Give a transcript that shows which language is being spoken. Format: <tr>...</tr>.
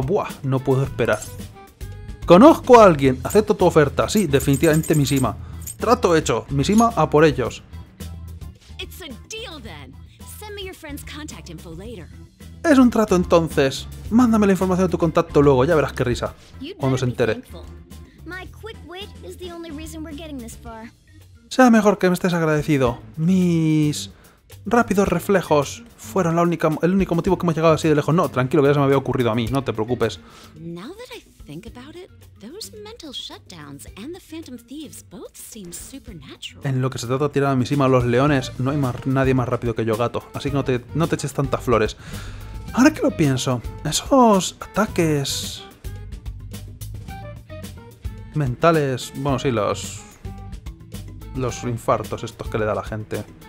<es>Buah, no puedo esperar. Conozco a alguien, acepto tu oferta. Sí, definitivamente Mishima. Trato hecho, Mishima a por ellos.</es> <en>It's a deal, then. Send me your friend's contact info later.</en> <es>Es un trato entonces. Mándame la información de tu contacto luego, ya verás qué risa. Cuando se entere.</es> <en>My quick wit is the only reason we're getting this far.</en> <es>Sea mejor que me estés agradecido. Mis rápidos reflejos fueron el único motivo que hemos llegado así de lejos. No, tranquilo, que ya se me había ocurrido a mí, no te preocupes.</es> <en>Now that I think about it, those mental shutdowns and the Phantom Thieves both seem supernatural.</en> <es>En lo que se trata de tirar a Mishima a los leones, no hay nadie más rápido que yo, gato. Así que no te eches tantas flores. Ahora que lo pienso, esos ataques mentales, bueno, sí, los infartos estos que le da la gente.</es>